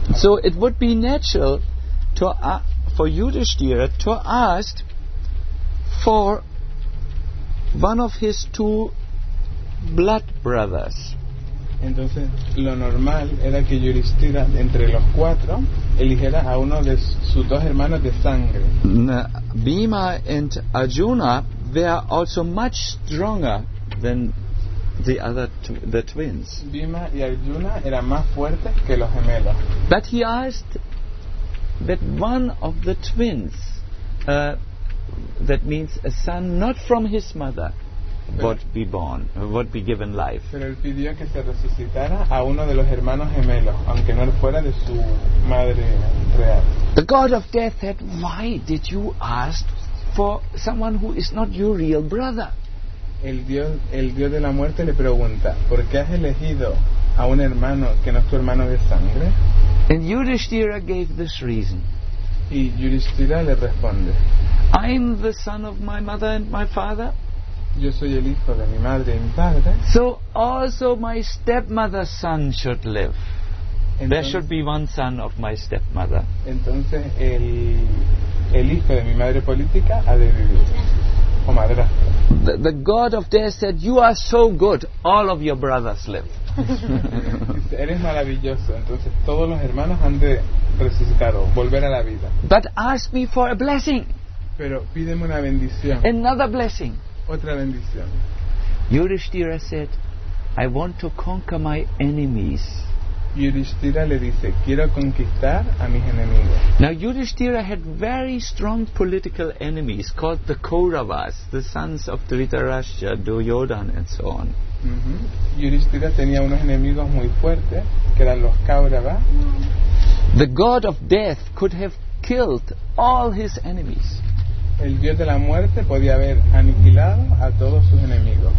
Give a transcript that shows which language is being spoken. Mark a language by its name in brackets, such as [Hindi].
[English] So it would be natural to for Yudhishthira to ask for one of his two blood brothers. [Spanish] Entonces, lo normal era que Yudhishthira, entre los cuatro, eligiera a uno de sus dos hermanos de sangre. [English] Bhima and Arjuna were also much stronger than the other the twins. [Spanish] Bhima y Arjuna eran más fuertes que los gemelos. [English] But he asked that one of the twins, that means a son not from his mother, would be given life. [Spanish] Pero él pidió que se resucitara a uno de los hermanos gemelos, aunque no fuera de su madre real. [English] The god of death said, why did you ask for someone who is not your real brother? [Spanish] El dios de la muerte le pregunta, ¿por qué has elegido a un hermano que no es tu hermano de sangre? [English] And Yudhishthira gave this reason. [Spanish] Y Yudhishthira le responde, [English] I am the son of my mother and my father. [Spanish] Yo soy el hijo de mi madre y mi padre. [English] So also my stepmother's son should live. [Spanish] Entonces, [English] there should be one son of my stepmother. [Spanish] Entonces el hijo de mi madre política ha de vivir. O madre. [English] The god of death said, you are so good, all of your brothers live. [Spanish] Eres maravilloso, entonces todos los hermanos han de resucitar o volver a la vida. [English] But ask me for a blessing. [Spanish] Pero pídeme una bendición. [English] Another blessing. [Spanish] Otra bendición. [English] Yudhishthira said, I want to conquer my enemies. [Spanish] Yudhishthira le dice, quiero conquistar a mis enemigos. [English] Now Yudhishthira had very strong political enemies called the Kauravas, the sons of Dhritarashtra, Duryodhana and so on. Mm-hmm. [Spanish] Yudhishthira tenía unos enemigos muy fuertes, que eran los Kauravas. [English] The god of death could have killed all his enemies. [Spanish] El dios de la muerte podía haber aniquilado a todos sus enemigos.